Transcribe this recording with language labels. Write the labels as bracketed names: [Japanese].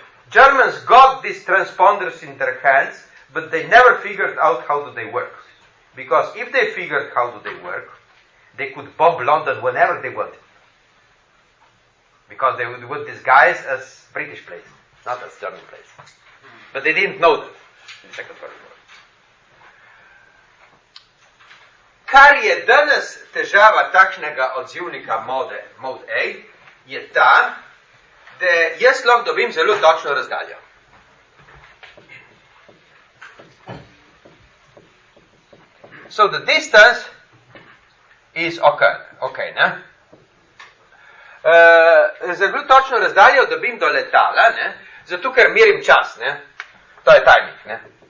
[English] Germans got these transponders in their hands, but they never figured out how do they work. Because if they figured how do they work, they could bomb London whenever they wanted. Because they would disguise as British place, not as German place. But they didn't know that in the Second World War. [Slovenian] Kar je danes težava takšnega odzivnika mode A, je ta, da jaz lahko dobim zelo točno razdaljo. [English] So the distance is okay, ne? [Slovenian] Zelo točno razdaljo dobim do letala, ne? Zato ker merim čas, ne? To je timing, ne?